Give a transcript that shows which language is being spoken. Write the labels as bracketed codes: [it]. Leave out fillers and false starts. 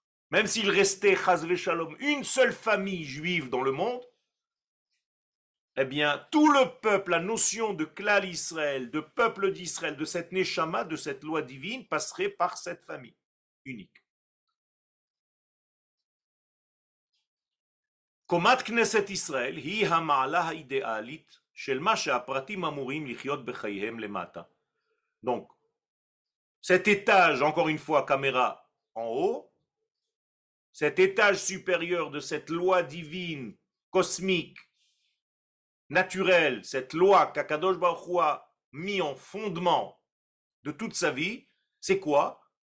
[fr] Même s'il restait, chas v'shalom, une seule famille juive dans le monde, eh bien, tout le peuple, la notion de Klal Israël, de peuple d'Israël, de cette Neshama, de cette loi divine, passerait par cette famille unique. [he] קומת כנסת ישראל היא המעלה האידיאלית של מה שהפרטים אמורים לחיות בחייהם למטה. [fr] Donc, cet étage, encore une fois, caméra en haut, cet étage supérieur de cette loi divine, cosmique, naturelle, cette loi qu'Akadosh Baruch Hu a mis en fondement de toute sa vie, c'est quoi?